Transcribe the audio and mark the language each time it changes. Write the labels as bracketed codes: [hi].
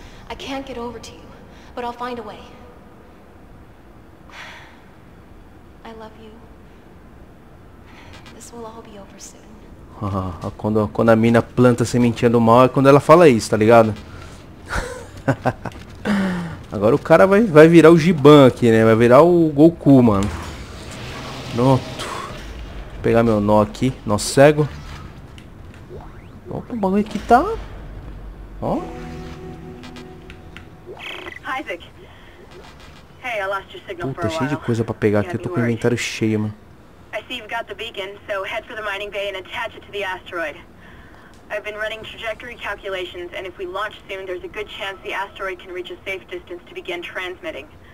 [en] I can't get over to you, but I'll find a way. I love you. This will all be over soon. [pt] quando a mina planta a sementinha do mal é quando ela fala isso, tá ligado? Agora o cara vai virar o Giban aqui, né? Vai virar o Goku, mano. Pronto. Pegar meu nó aqui, nó cego. Opa, o bagulho aqui tá. Ó. [en] Isaac. Hey, I lost your signal. [pt] Puta, cheio de coisa pra pegar aqui. Eu tô com o inventário cheio, mano. [en] I see you've got the beacon, so head for the mining bay and attach it to the asteroid. I've been running trajectory calculations, and if we launch soon, there's a good chance the asteroid can reach a safe distance to begin transmitting.